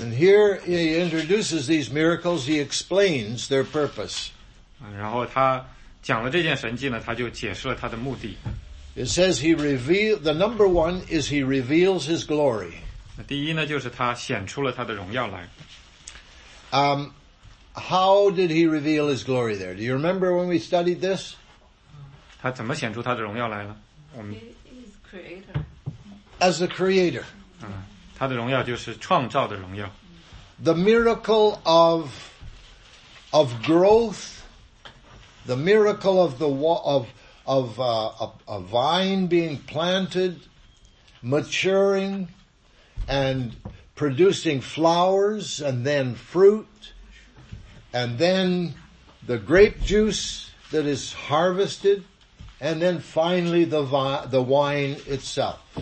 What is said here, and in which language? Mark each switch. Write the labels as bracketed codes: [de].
[en] And here he introduces these miracles, he explains their purpose. [zh] 然后他讲了这件神迹呢，他就解释了他的目的。 [en] It says he revealed, the number one is he reveals his glory. [zh] 第一呢，就是他显出了他的荣耀来。 [en] How did he reveal his glory there? Do you remember when we studied this? [zh] 他怎么显出他的荣耀来了？我们 [en] is creator. As the creator. [zh] 他的荣耀就是创造的荣耀。 [en] The miracle of growth, the miracle of the a vine being planted, maturing, and producing flowers and then fruit, and then the grape juice that is harvested, and then finally the wine itself.